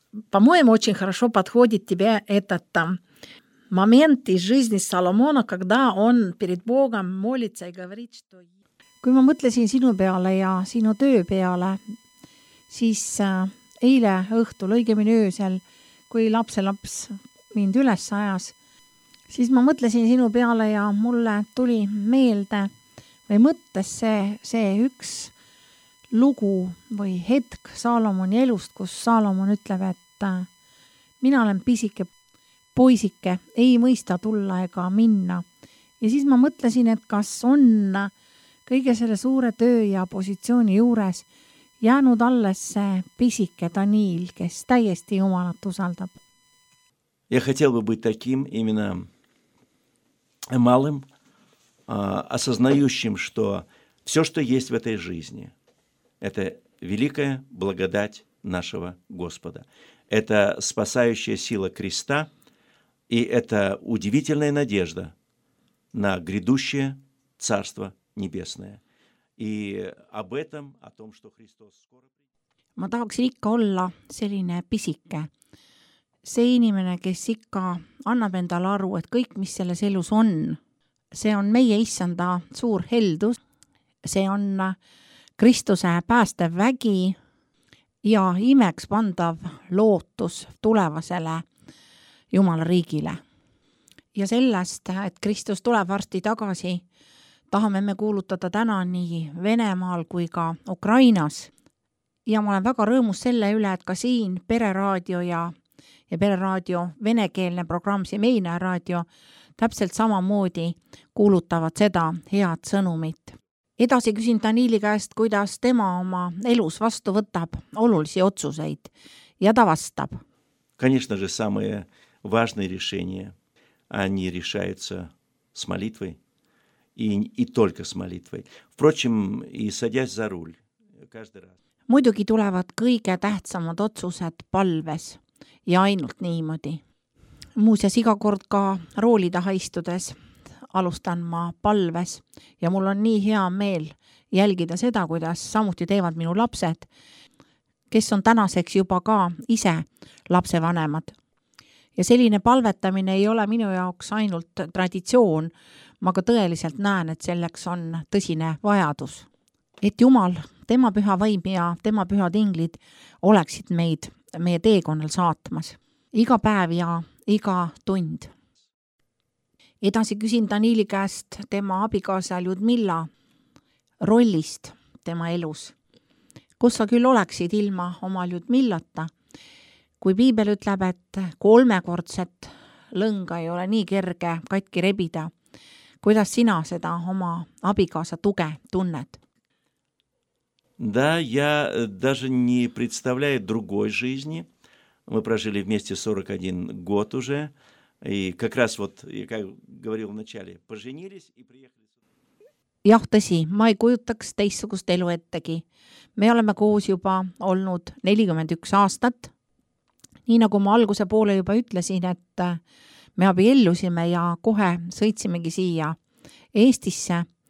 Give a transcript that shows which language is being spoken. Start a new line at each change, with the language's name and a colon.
Russian: по-моему, очень хорошо подходит тебе этот там момент из жизни Соломона, когда он перед Богом молится и говорит, что...
Estonian: Kui ma mõtlesin sinu peale ja sinu töö peale, siis eile õhtul, õigemini öösel, kui lapselaps mind üles ajas, siis ma mõtlesin sinu peale ja mulle tuli meelde või mõttes see üks lugu või hetk Saalomoni elust, kus Saalomon ütleb, et mina olen pisike poisike, ei mõista tulla ega minna. Ja siis ma mõtlesin, et kas on kõige selle suure töö ja positsiooni juures jäänud alles see pisike Daniil, kes täiesti Jumalat usaldab.
Russian: Я хотел бы быть таким, именно малым, осознающим, что все, что есть в этой жизни, это великая благодать нашего Господа. Это спасающая сила креста, и это удивительная надежда на грядущее Царство Небесное. И об этом, о том, что Христос скоро...
Estonian: Ma tahaks ikka olla selline pisike. See inimene, kes ikka annab endale aru, et kõik, mis selles elus on, see on meie issanda suur heldus, see on Kristuse päästev vägi ja imeks pandav lootus tulevasele Jumala riigile. Ja sellest, et Kristus tuleb varsti tagasi, tahame me kuulutada täna nii Venemaal kui ka Ukrainas. Ja ma olen väga rõõmus selle üle, et ka siin Pereraadio ja Pereraadio venekeelne programm, see Meine Raadio, täpselt samamoodi kuulutavad seda head sõnumit. Edasi küsin Daniili käest, kuidas tema oma elus vastu võtab olulisi otsuseid ja ta vastab.
Russian: Конечно же, самые важные решения, они решаются с молитвой и только с молитвой. Впрочем, и садясь за руль каждый раз.
Estonian: Muidugi tulevad kõige tähtsamad otsused palves. Ja ainult niimoodi. Muuses igakord ka rooli taha istudes alustan ma palves ja mul on nii hea meel jälgida seda, kuidas samuti teevad minu lapsed, kes on tänaseks juba ka ise lapsevanemad. Ja selline palvetamine ei ole minu jaoks ainult traditsioon, ma ka tõeliselt näen, et selleks on tõsine vajadus. Et Jumal, tema püha vaim ja tema pühad inglid oleksid meid meie teekonnal saatmas. Iga päev ja iga tund. Edasi küsin Daniili käest tema abikaasa Ljudmilla rollist tema elus. Kus sa küll oleksid ilma oma Ljudmillata? Kui Piibel ütleb, et kolmekordset lõnga ei ole nii kerge katki rebida, kuidas sina seda oma abikaasa tuge tunned?
Russian: Да, я даже не представляю другой жизни. Мы прожили вместе 41 год уже. И как раз вот, как говорил в начале, поженились и приехали сюда.
Estonian: Jah, tõsi, ma ei kujutaks teissugust elu ettegi. Me oleme koos juba olnud 41 aastat. Nii nagu ma alguse poole juba ütlesin, et me abiellusime ja kohe sõitsimegi siia Eestisse.